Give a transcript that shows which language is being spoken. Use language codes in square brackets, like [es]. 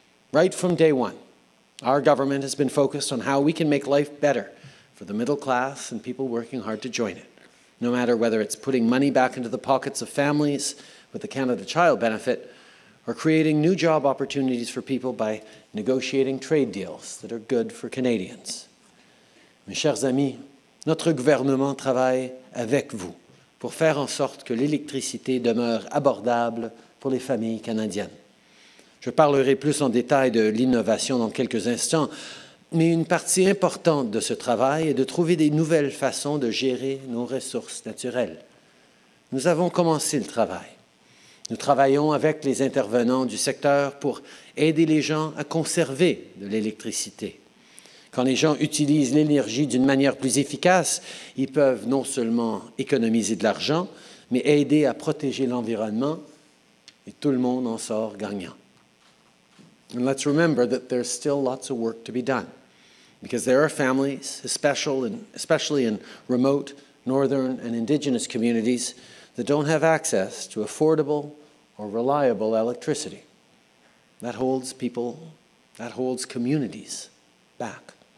[en] Right from day one, our government has been focused on how we can make life better for the middle class and people working hard to join it, no matter whether it's putting money back into the pockets of families with the Canada Child Benefit or creating new job opportunities for people by negotiating trade deals that are good for Canadians. [fr] Mes chers amis, notre gouvernement travaille avec vous pour faire en sorte que l'électricité demeure abordable pour les familles canadiennes. Je parlerai plus en détail de l'innovation dans quelques instants, mais une partie importante de ce travail est de trouver des nouvelles façons de gérer nos ressources naturelles. Nous avons commencé le travail. Nous travaillons avec les intervenants du secteur pour aider les gens à conserver de l'électricité. Quand les gens utilisent l'énergie d'une manière plus efficace, ils peuvent non seulement économiser de l'argent, mais aider à protéger l'environnement, et tout le monde en sort gagnant. [en] And let's remember that there's still lots of work to be done, because there are families, especially in remote, northern, and indigenous communities, that don't have access to affordable or reliable electricity. That holds people, that holds communities back.